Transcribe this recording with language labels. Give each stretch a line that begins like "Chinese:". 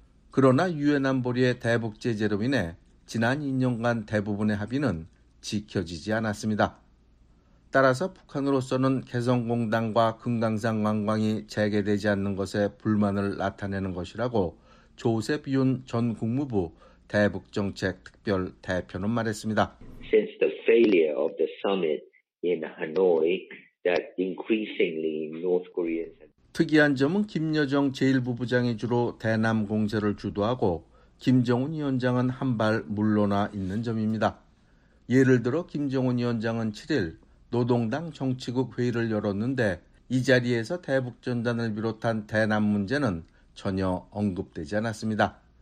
Korean: 그러나 유엔 안보리의 대북 제재로 인해 지난 2년간 대부분의 합의는 지켜지지 않았습니다. 따라서 북한으로서는 개성공단과 금강산 관광이 재개되지 않는 것에 불만을 나타내는 것이라고 조셉 윤 전 국무부 대북정책특별대표는 말했습니다.
English: Since the failure of the summit in Hanoi, that increasingly North Koreans...
Korean: 특이한 점은 김여정 제1부부장이 주로 대남 공세를 주도하고 김정은 위원장은 한 발 물러나 있는 점입니다. 예를 들어 김정은 위원장은 7일 노동당 정치국 회의를 열었는데 이 자리에서 대북전단을 비롯한 대남 문제는 전혀 언급되지 않았습니다.